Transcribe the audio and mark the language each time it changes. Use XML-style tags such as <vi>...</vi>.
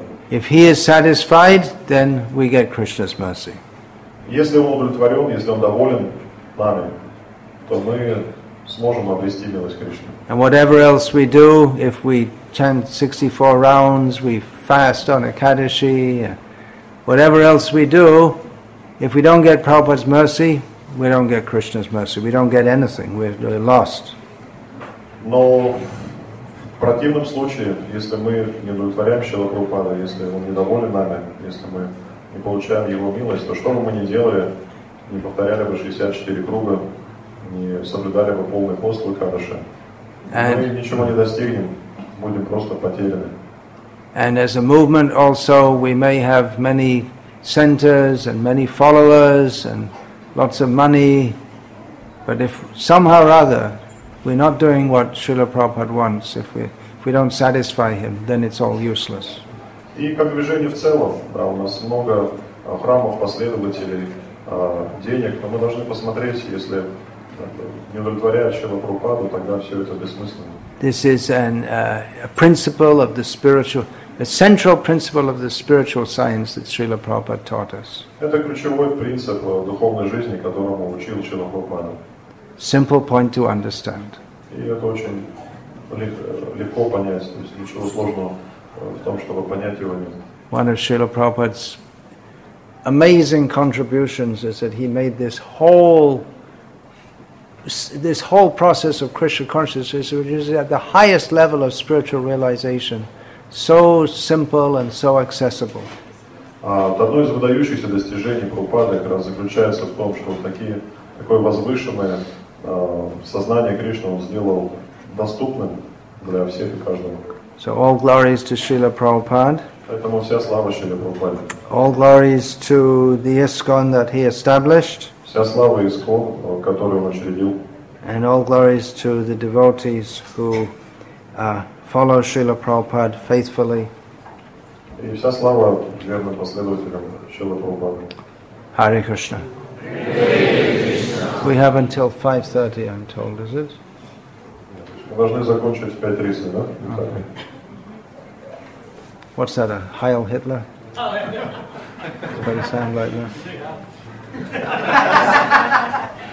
<en>If he is satisfied, then we get Krishna's mercy.</en> <ru>Если он удовлетворен, если он доволен нами, то мы сможем обрести милость Кришны.</ru> <en>And whatever else we do, if we chant 64 rounds, we fast on Ekadashi, whatever else we do, if we don't get Prabhupada's mercy, we don't get Krishna's mercy. We don't get anything. We're lost.</en> <ru>Но в противном случае, если мы не удовлетворяем Шрилу Прабхупаду, если он недоволен нами, если мы не получаем его милость, то что бы мы ни делали, не повторяли бы 64 круга, не соблюдали бы полный пост в Экадаши, мы ничего не достигнем, будем просто потеряны.</ru> <en>And as a movement also, we may have many centers and many followers and lots of money, but if somehow or other we're not doing what Srila Prabhupada wants, if we don't satisfy him, then it's all useless.</en> <ru>И как движение в целом, да, у нас много храмов, последователей, денег, но мы должны посмотреть, если не удовлетворяет Шрила Прабхупаду, тогда все это бессмысленно.</ru> <en>This is a principle of the spiritual, a central principle of the spiritual science that Srila Prabhupada taught us.</en> <ru>Это ключевой принцип духовной жизни, которому учил Шрила Прабхупада.</ru> <en>Simple point to understand.</en> <ru>И это очень легко понять, то есть ничего сложного в том, чтобы понять его нет.</ru> <en>One of Srila Prabhupada's amazing contributions is that he made this whole process of Krishna consciousness, which is at the highest level of spiritual realization, so simple and so accessible.</en> <ru>Одно из выдающихся достижений Прабхупады как раз заключается в том, что такое возвышенное сознание Кришны он сделал доступным для всех и каждого.</ru> <en>So all glories to Srila Prabhupada.</en> <ru>Поэтому вся слава Шриле Прабхупаде.</ru> <en>All glories to the ISKCON that he established.</en> <ru>Вся слава ISKCON, который он учредил.</ru> <en>And all glories to the devotees who follow Srila Prabhupada faithfully.</en> <ru>И вся слава верным последователям Шрилы Прабхупады.</ru> <en>Hare Krishna. We have until 5:30, I'm told, is it?</en> <ru>Мы должны закончить в 5:30, да?</ru> <en>What's that, a Heil Hitler? Does it sound like that?</en>